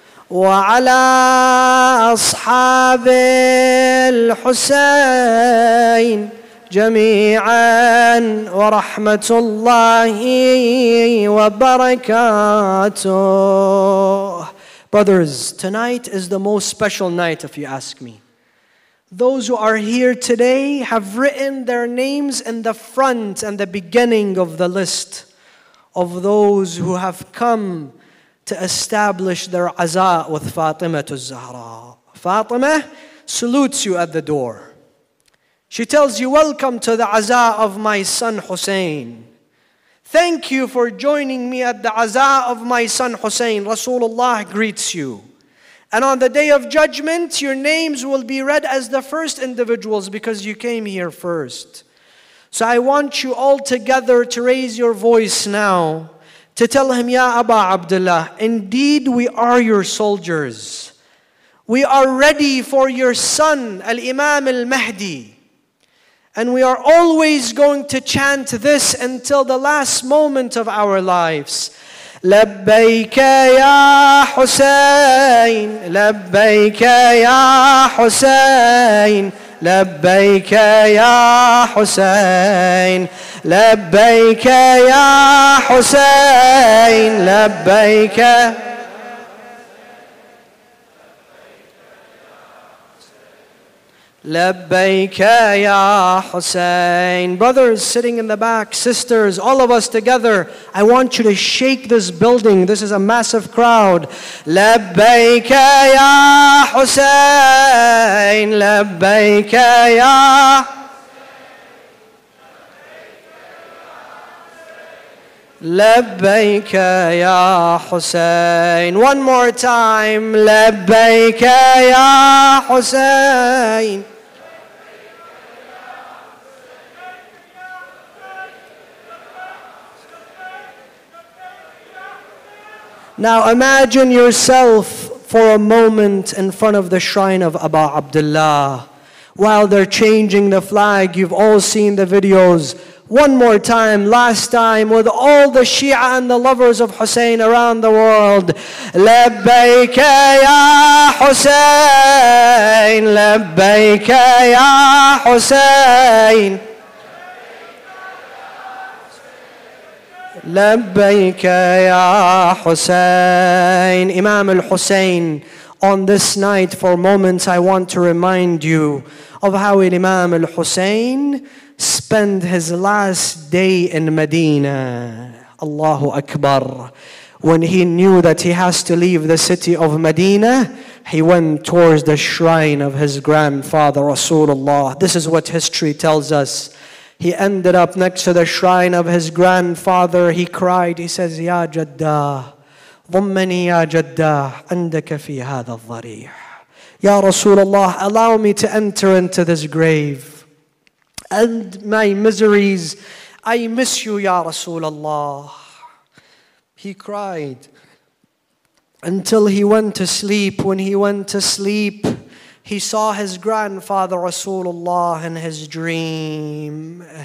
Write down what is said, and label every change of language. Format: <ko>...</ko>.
<ar>وعلى أصحاب الحسين جميعا ورحمة الله وبركاته.</ar> <en>Brothers, tonight is the most special night if you ask me. Those who are here today have written their names in the front and the beginning of the list of those who have come to establish their aza with Fatima al-Zahra. Fatima salutes you at the door. She tells you, welcome to the aza of my son Hussein. Thank you for joining me at the aza of my son Hussein. Rasulullah greets you. And on the day of judgment, your names will be read as the first individuals because you came here first. So I want you all together to raise your voice now to tell him, Ya Aba Abdullah, indeed we are your soldiers. We are ready for your son, Al-Imam Al-Mahdi. And we are always going to chant this until the last moment of our lives.</en> <ar>لبيك يا حسين لبيك يا حسين لبيك يا حسين لبيك يا حسين لبيك لبيك يا حسين.</ar> <en>Brothers sitting in the back, sisters, all of us together, I want you to shake this building. This is a massive crowd.</en> <ar>لبيك يا حسين لبيك يا لبيك يا حسين.</ar> <en>One more time.</en> <ar>لبيك يا حسين</ar> <en>Now imagine yourself for a moment in front of the shrine of Aba Abdullah while they're changing the flag. You've all seen the videos. One more time, last time, with all the Shia and the lovers of Hussein around the world.</en> <ar>لبيك يا حسين لبيك يا حسين لبيك يا حسين.</ar> <en>Imam al-Hussein, on this night for moments I want to remind you of how Imam al-Hussein spent his last day in Medina. Allahu Akbar. When he knew that he has to leave the city of Medina, he went towards the shrine of his grandfather Rasulullah. This is what history tells us. He ended up next to the shrine of his grandfather. He cried. He says,</en> <ar>Ya Jaddah, ضمني يا جدّا عندك في هذا الضريح.</ar> <en>Ya Rasulullah, allow me to enter into this grave. End my miseries. I miss you, Ya Rasulullah. He cried until he went to sleep. When he went to sleep, he saw his grandfather Rasulullah in his dream.</en>